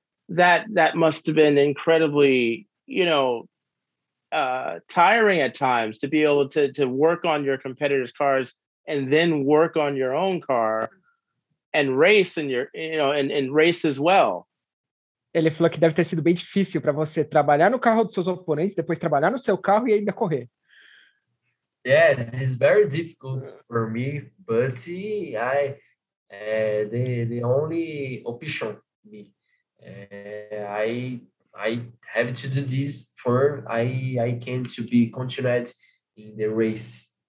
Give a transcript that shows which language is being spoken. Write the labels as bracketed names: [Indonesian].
[English] That must have been incredibly, you know, tiring at times to be able to work on your competitors' cars and then work on your own car and race in your, you know, and race as well. [Portuguese] Ele falou que deve ter sido bem difícil para você trabalhar no carro dos seus oponentes, depois trabalhar no seu carro e ainda correr. [English] Yes, it's very difficult for me, but the only option me, I have to do this for I can to be continued in the race.